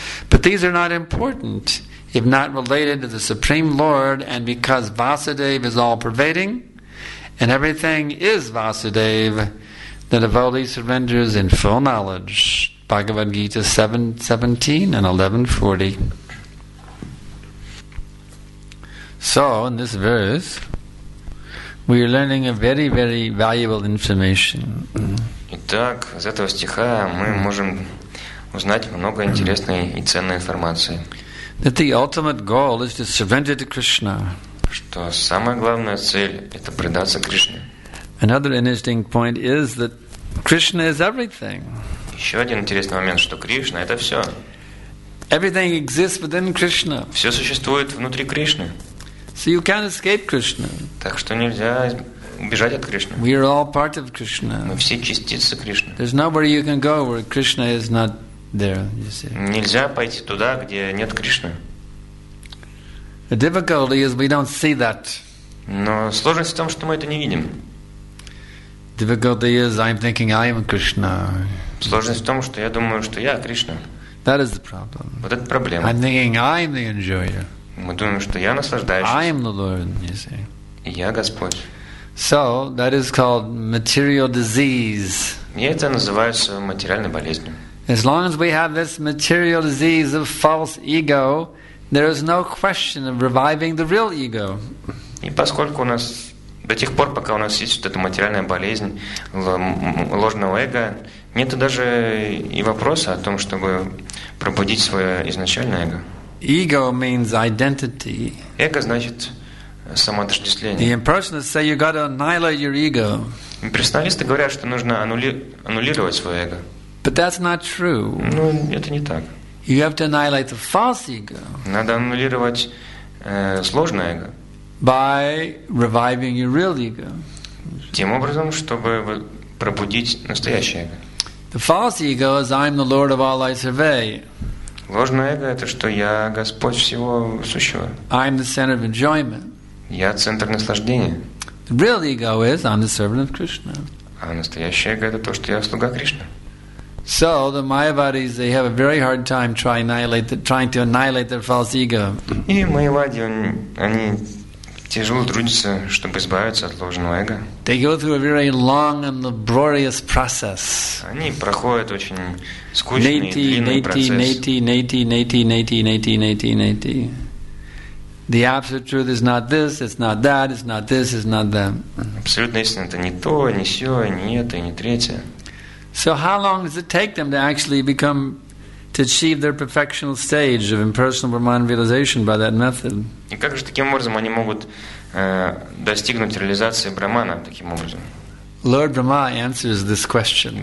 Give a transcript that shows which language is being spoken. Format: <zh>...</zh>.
<en>But these are not important if not related to the Supreme Lord, and because Vasudeva is all-pervading and everything is Vasudeva, the devotee surrenders in full knowledge. Bhagavad Gita 7.17 and 11.40. So, in this verse, we are learning a very, very valuable information.</en> <ru>Итак, из этого стиха мы можем узнать много интересной и ценной информации.</ru> <en>That the ultimate goal is to surrender to Krishna.</en> <ru>Что самая главная цель – это предаться Кришне.</ru> <en>Another interesting point is that Krishna is everything.</en> <ru>Еще один интересный момент, что Кришна – это все.</ru> <en>Everything exists within Krishna.</en> <ru>Все существует внутри Кришны.</ru> <en>So you can't escape Krishna.</en> <ru>Так что нельзя убежать от Кришны.</ru> <en>We are all part of Krishna.</en> <ru>Мы все частицы Кришны.</ru> <en>There's nowhere you can go where Krishna is not there, you see.</en> <ru>Нельзя пойти туда, где нет Кришны.</ru> <en>The difficulty is we don't see that.</en> <ru>Но сложность в том, что мы это не видим.</ru> <en>The difficulty is I'm thinking I am Krishna.</en> <ru>Сложность в том, что я думаю, что я Кришна.</ru> <en>That is the problem.</en> <ru>Вот это проблема.</ru> <en>I'm thinking I am the enjoyer.</en> <ru>Мы думаем, что я наслаждающийся.</ru> <en>I am the Lord, you see.</en> <ru>Я Господь.</ru> <en>So that is called material disease.</en> <ru>Это называется материальной болезнью.</ru> <en>As long as we have this material disease of false ego, there is no question of reviving the real ego.</en> <ru>И поскольку у нас до тех пор, пока у нас есть вот эта материальная болезнь ложного эго, нет даже и вопроса о том, чтобы пробудить свое изначальное эго.</ru> <en>Ego means identity.</en> <ru>Эго значит самоотождествление.</ru> <en>The impersonalists say you got to annihilate your ego.</en> <ru>Имперсоналисты говорят, что нужно аннулировать свое эго.</ru> <en>But that's not true.</en> <ru>Ну, это не так.</ru> <en>You have to annihilate the false ego.</en> <ru>Надо аннулировать сложное эго.</ru> <en>By reviving your real ego.</en> <ru>Тем образом, чтобы пробудить настоящее эго.</ru> <en>The false ego is I'm the Lord of all I survey.</en> <ru>Ложное эго – это что я Господь всего сущего.</ru> <en>I'm the center of enjoyment.</en> <ru>Я центр наслаждения.</ru> <en>The real ego is I'm the servant of Krishna.</en> <ru>А настоящее эго – это то, что я слуга Кришны.</ru> <en>So the Mayavadis, they have a very hard time trying to annihilate their false ego.</en> <ru>И Майявади, они тяжело трудятся, чтобы избавиться от ложного эго.</ru> <en>They go through a very long and laborious process.</en> <ru>Они проходят очень скучный и длинный процесс.</ru> <en>The absolute truth is not this, it's not that, it's not this, it's not that.</en> <ru>Абсолютная истина – это не то, не сё, не это, не третье.</ru> <en>So how long does it take them to actually become, to achieve their perfectional stage of impersonal Brahman realization by that method?</en> <ru>И как же таким образом они могут достигнуть реализации Брахмана таким образом?</ru> <en>Lord Brahma answers this question.</en>